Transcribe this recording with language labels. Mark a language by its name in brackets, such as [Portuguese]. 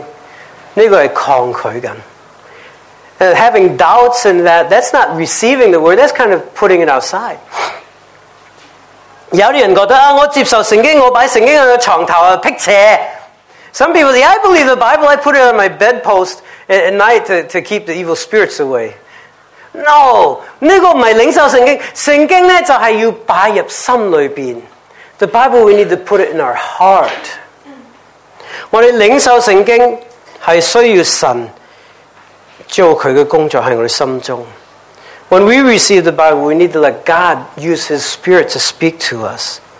[Chinese] 这个就不是领受圣经，这个是抗拒的。 [English] Having doubts in that, that's not receiving the word, that's kind of putting it outside. [Chinese] 有些人觉得，我接受圣经，我放在圣经的床头，辟邪。 [English] Some people say, I believe the Bible, I put it on my bedpost at night to keep the evil spirits away. No! [Chinese] 这个不是领受圣经，圣经呢，就是要摆入心里边。 [English] The Bible, we need to put it in our heart. [Chinese] 我们领受圣经，是需要神做祂的工作在我们心中。 [English] When we receive the Bible, we need to let God use His Spirit to speak to us.